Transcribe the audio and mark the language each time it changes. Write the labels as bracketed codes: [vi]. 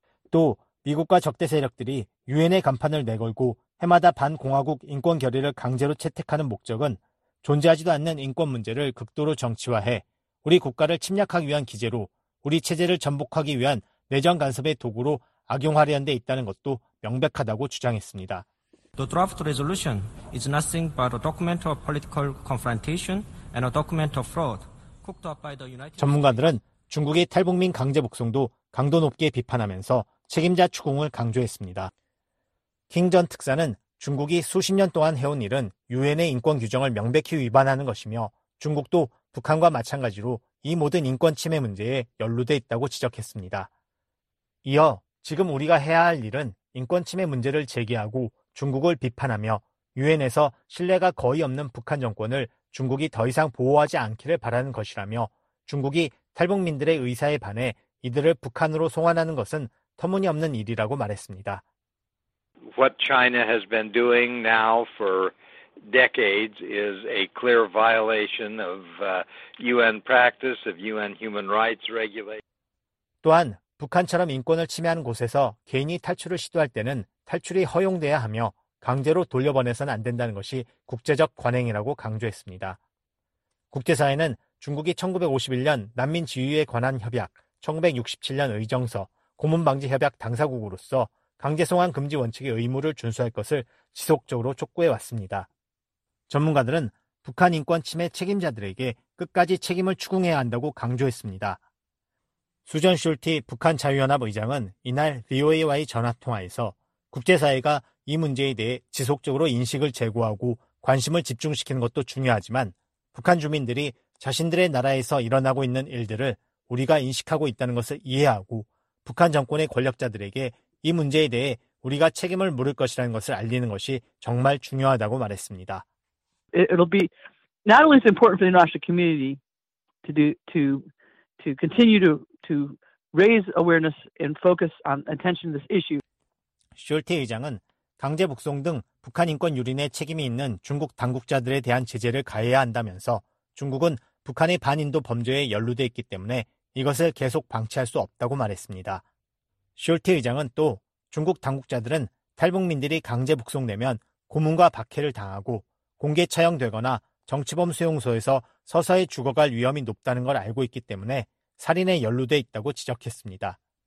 [ko] 또 미국과 적대 세력들이 유엔의 간판을 내걸고 해마다 반공화국 인권결의를 강제로 채택하는 목적은 존재하지도 않는 인권 문제를 극도로 정치화해 우리 국가를 침략하기 위한 기제로 우리 체제를 전복하기 위한 내정 간섭의 도구로 악용하려는 데 있다는 것도 명백하다고 주장했습니다. [en] The draft resolution is nothing but a document of political confrontation and a document of fraud cooked up by the United. [ko] 전문가들은 중국의 탈북민 강제 복송도 강도 높게 비판하면서 책임자 추궁을 강조했습니다. 킹 전 특사는 중국이 수십 년 동안 해온 일은 유엔의 인권 규정을 명백히 위반하는 것이며 중국도 북한과 마찬가지로 이 모든 인권 침해 문제에 연루돼 있다고 지적했습니다. 이어 지금 우리가 해야 할 일은 인권 침해 문제를 제기하고 중국을 비판하며 유엔에서 신뢰가 거의 없는 북한 정권을 중국이 더 이상 보호하지 않기를 바라는 것이라며 중국이 탈북민들의 의사에 반해 이들을 북한으로 송환하는 것은 터무니없는 일이라고 말했습니다. [en] What China has been doing now for decades is a clear violation of UN practice, of UN human rights regulation. [ko] 또한 북한처럼 인권을 침해하는 곳에서 개인이 탈출을 시도할 때는 탈출이 허용돼야 하며 강제로 돌려보내서는 안 된다는 것이 국제적 관행이라고 강조했습니다. 국제사회는 중국이 1951년 난민 지위에 관한 협약, 1967년 의정서, 고문방지협약 당사국으로서 강제송환 금지 원칙의 의무를 준수할 것을 지속적으로 촉구해왔습니다. 전문가들은 북한 인권 침해 책임자들에게 끝까지 책임을 추궁해야 한다고 강조했습니다. 수전 슐티 북한 자유연합 의장은 이날 VOA와의 전화통화에서 국제사회가 이 문제에 대해 지속적으로 인식을 제고하고 관심을 집중시키는 것도 중요하지만 북한 주민들이 자신들의 나라에서 일어나고 있는 일들을 우리가 인식하고 있다는 것을 이해하고 북한 정권의 권력자들에게 이 문제에 대해 우리가 책임을 물을 것이라는 것을 알리는 것이 정말 중요하다고 말했습니다. [en] It'll be not only is important for the international community to do to continue to raise awareness and focus on attention to this issue. [ko] 숄티 의장은 강제 북송 등 북한 인권 유린에 책임이 있는 중국 당국자들에 대한 제재를 가해야 한다면서 중국은 북한의 반인도 범죄에 연루돼 있기 때문에 이것을 계속 방치할 수 없다고 말했습니다. 숄티 의장은 또 중국 당국자들은 탈북민들이 강제 북송되면 고문과 박해를 당하고 공개 처형되거나 정치범 수용소에서 서서히 죽어갈 위험이 높다는 걸 알고 있기 때문에 살인에 연루돼 있다고 지적했습니다.